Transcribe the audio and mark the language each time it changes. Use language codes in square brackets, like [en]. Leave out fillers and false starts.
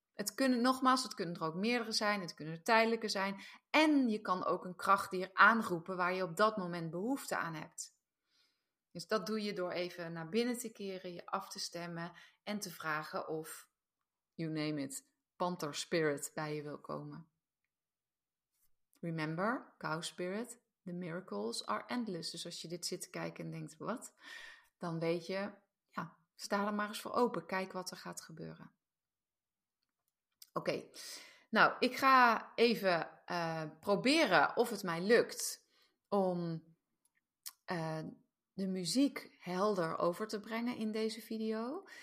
[nl] Het kunnen, nogmaals, het kunnen er ook meerdere zijn. Het kunnen er tijdelijke zijn. En je kan ook een krachtdier aanroepen waar je op dat moment behoefte aan hebt. Dus dat doe je door even naar binnen te keren, je af te stemmen en te vragen of, [en] you name it, [nl] panther spirit bij je wil komen. [en] Remember, cow spirit, the miracles are endless. [nl] Dus als je dit zit te kijken en denkt, wat? Dan weet je, ja, sta er maar eens voor open. Kijk wat er gaat gebeuren. Oké, nou, ik ga even proberen of het mij lukt om de muziek helder over te brengen in deze video.